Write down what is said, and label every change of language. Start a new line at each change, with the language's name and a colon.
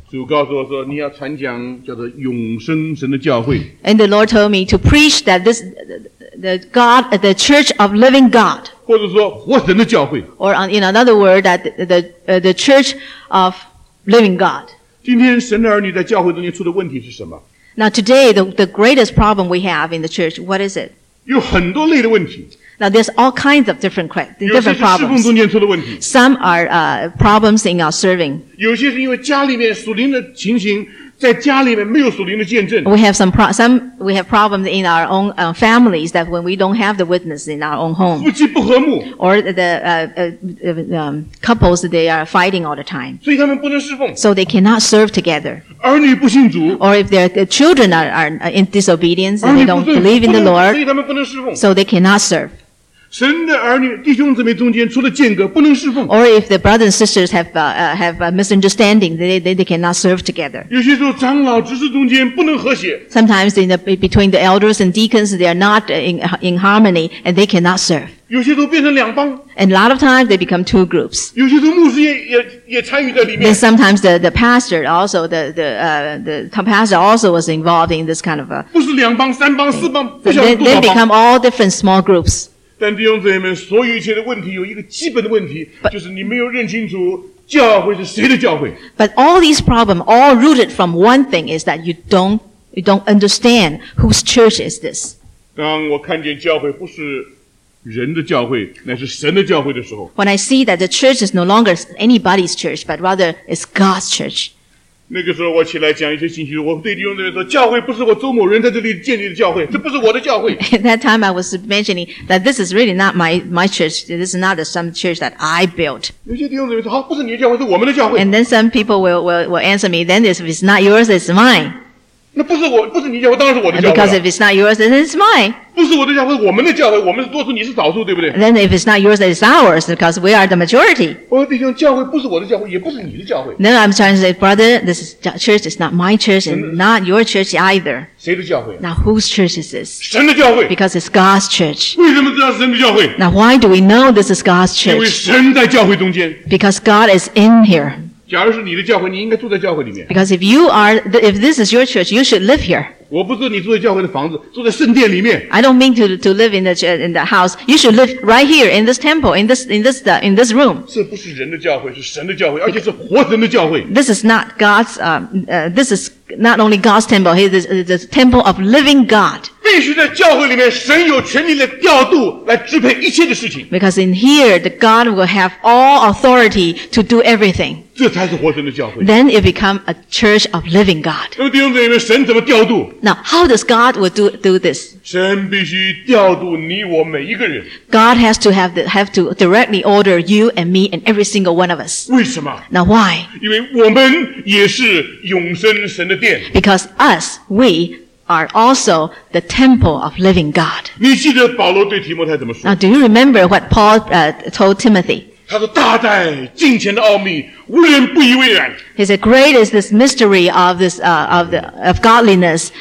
Chinese: 主告诉我说你要传讲叫做永生神的教会。
English: And the Lord told me to preach that this, the God, the church of living God.
Chinese: 或者说活神的教会。
English: Or in another word, that the church of living God.
Chinese: 今天神的儿女在教会中间出的问题是什么
English: Now today, the greatest problem we have in the church, what is it?
Chinese: 有很多类的问题。
English: Now there's all kinds of different problems.
Chinese: 有些是侍奉中间出的问题。
English: Some are problems in our serving.
Chinese: 有些是因为家里面属灵的情形，在家里面没有属灵的见证。
English: We have some problems in our own families that when we don't have the witness in our own home.
Chinese: 夫妻不和睦。
English: Or the couples, they are fighting all the time.
Chinese: 所以他们不能侍奉。
English: So they cannot serve together.
Chinese: 儿女不信主
English: or if their children are in disobedience and they don't believe in the Lord, so they cannot serve.
Chinese: 神的儿女弟兄姊妹中间出了间隔不能侍奉。
English: Or if the brothers and sisters have a misunderstanding, they cannot serve together.
Chinese: 有些时候长老执事中间不能和谐。
English: Sometimes between the elders and deacons, they are not in harmony, and they cannot serve.
Chinese: 有些时候变成两帮。
English: And a lot of times they become two groups.
Chinese: 有些时候牧师也参与在里面。
English: Then sometimes the pastor also was involved in this kind of a,
Chinese: 不是两帮三帮四帮。
English: They become all different small groups.
Chinese: 但弟兄姊妹们，所有一切的问题有一个基本的问题，就是你没有认清楚教会是谁的教会。
English: But all these problems all rooted from one thing is that you don't understand whose church is this.
Chinese: 当我看见教会不是人的教会，乃是神的教会的时候
English: ，When I see that the church is no longer anybody's church, but rather is God's church.
Chinese: 那个时候我起来讲一些信息，我对弟兄姊妹说，教会不是我周某人在这里建立的教会，这不是我的教会。
English: At that time I was mentioning that this is really not my church, this is not some church that I built.
Chinese: 有些弟兄姊妹说，好，不是你的教会，是我们的教会。
English: And then some people will answer me, then if it's not yours, it's mine.
Chinese: 那不是我，不是你的教会，当然是我的教会。
English: Because if it's not yours, then it's mine.
Chinese: 不是我的教会，我们的教会，我们是多数，你是少数，对不对？
English: And then if it's not yours, it's ours, because we are the majority.
Chinese: 我说弟兄，教会不是我的教会，也不是你的教会。
English: Then I'm trying to say, brother, this is, church is not my church and not your church either.
Chinese: 谁的教会、啊、
English: Now whose church is this?
Chinese: 神的教会。
English: Because it's God's church.
Chinese: 为什么知道神的教会？
English: Now why do we know this is God's church?
Chinese: 因为神在教会中间。
English: Because God is in here.
Chinese: 假如是你的教会，你应该住在教会里面。
English: Because if you are, if this is your church, you should live here.
Chinese: 我不是你住在教会的房子，住在圣殿里面。
English: I don't mean to live in the house. You should live right here in this temple, in this room.
Chinese: 这不是人的教会，是神的教会，而且是活神的教会。
English: This is not God's, this is not only God's temple. It is the temple of living God.
Chinese: 必须在教会里面，神有权利来调度，来支配一切的事情。
English: Because in here, the God will have all authority to do everything.
Chinese: 这才是活神的教会。
English: Then it become a church of living God.
Chinese: 那么弟兄姊妹，神怎么调度？
English: Now how does God will do this?
Chinese: 神必须调度你我每一个人。
English: God has to have to directly order you and me and every single one of us.
Chinese: 为什么？
English: Now why?
Chinese: 因为我们也是永生神的殿。
English: Because us, we are also the temple of living God.
Chinese: 你记得保罗对提摩太怎么说？
English: Now do you remember what Paul told Timothy?
Chinese: 他说大在敬虔的奥秘无人不以为然。
English: He said, great is this mystery of this, of the, of godliness.